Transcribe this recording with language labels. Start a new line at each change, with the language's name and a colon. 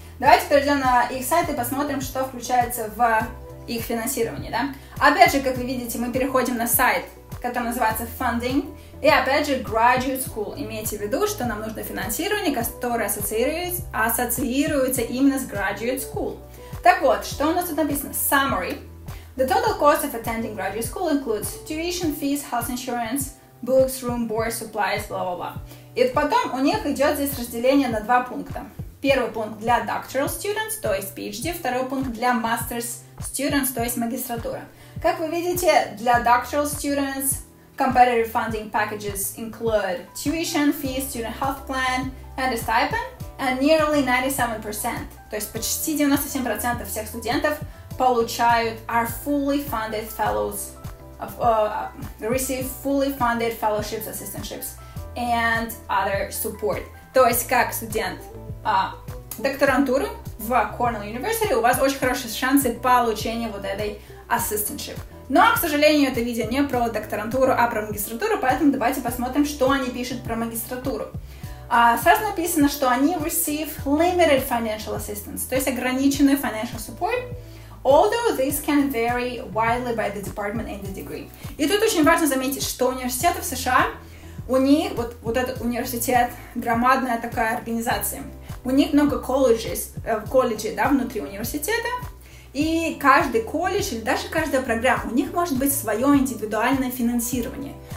Russian: Давайте перейдем на их сайт и посмотрим, что включается в их финансирование, да? Опять же, как вы видите, мы переходим на сайт, который называется Funding, и опять же Graduate School. Имейте в виду, что нам нужно финансирование, которое ассоциируется именно с Graduate School. Так вот, что у нас тут написано?
English: Summary. The total cost of attending graduate school includes tuition fees, health insurance, books, room, board, supplies, blah-blah-blah.
Russian: И потом у них идет здесь разделение на два пункта. Первый пункт для doctoral students, то есть PhD, второй пункт для master's students, то есть магистратура. Как вы видите, для
English: doctoral students competitive funding packages include tuition fees, student health plan, and a stipend, and nearly 97%,
Russian: то есть почти 97% всех студентов получают
English: are fully funded fellows, receive fully funded fellowships, assistantships, and other support.
Russian: То есть как студент докторантуры в Cornell University, у вас очень хорошие шансы получения вот этой assistantship. Но, к сожалению, это видео не про докторантуру, а про магистратуру, поэтому давайте посмотрим, что они пишут про магистратуру. Сразу написано, что они
English: receive limited financial assistance,
Russian: то есть ограниченный
English: financial support, although this can vary widely by the department and the degree.
Russian: И тут очень важно заметить, что университеты в США, у них, вот этот университет, громадная такая организация, у них много колледжей, да, внутри университета, и каждый колледж или даже каждая программа, у них может быть свое индивидуальное финансирование.